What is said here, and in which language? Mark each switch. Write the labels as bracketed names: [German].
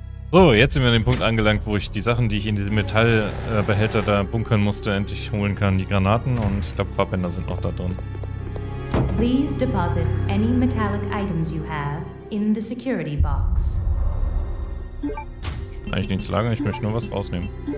[German] So, jetzt sind wir an dem Punkt angelangt, wo ich die Sachen, die ich in diesem Metallbehälter da bunkern musste, endlich holen kann. Die Granaten und ich glaube, Farbänder sind noch da drin. [English] Please deposit any metallic items you have in the security box. [German] Eigentlich nichts lagern, ich möchte nur was rausnehmen.